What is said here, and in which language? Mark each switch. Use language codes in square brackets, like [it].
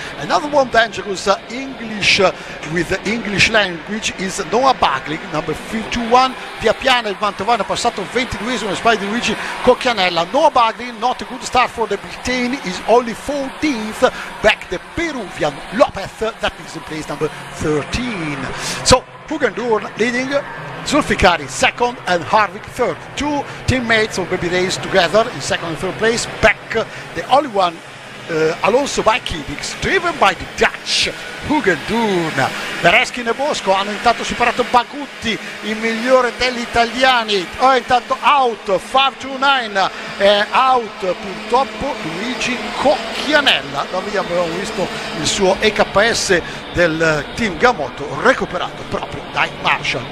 [en] Another one dangerous English with the English language is Noah Bagley, number 521. [it] Viapiana il Mantovano è passato 22esimo e spy di Luigi Cocchianella. [en] Noah Bagley, not a good start for the Britain, is only 14th. Back the Peruvian Lopez, that is in place number 13. So Hugendorf leading, Zulfikari second and Harvick third. Two teammates of Baby Race together in second and third place. Back the only one, Alonso by Kydix, driven by the Dutch Hugendorf. [it] Bereskin e Bosco hanno intanto superato Bagutti, il migliore degli italiani. Oh, intanto out, 529, out purtroppo Luigi Cocchianella. Noi abbiamo visto il suo EKS del team Gamoto recuperato proprio dai Marshall.